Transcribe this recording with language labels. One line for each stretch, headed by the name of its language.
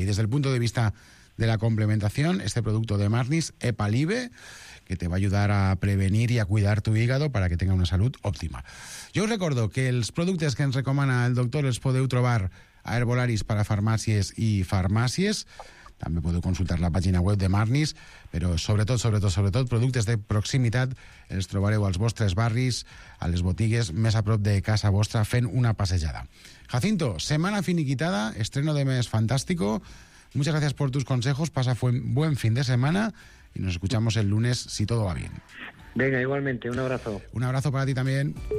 Spanish: Y desde el punto de vista de la complementación, este producto de Marnis, Hepalive, que te va a ayudar a prevenir y a cuidar tu hígado para que tenga una salud óptima. Yo os recuerdo que los productos que nos recomienda el doctor los
Catalan: podeu trobar a Herbolaris,
Spanish: para farmacias y farmacias.
Catalan: També podeu consultar la pàgina web de Marnis, però sobretot, productes de proximitat els trobareu als vostres barris, a les botigues més a prop de casa vostra, fent una passejada. Jacinto, setmana finiquitada, estreno de mes fantàstico.
Spanish: Muchas gracias por tus consejos, pasa buen fin de semana y nos escuchamos el lunes si todo va bien. Venga, igualmente, un abrazo. Un abrazo para ti también.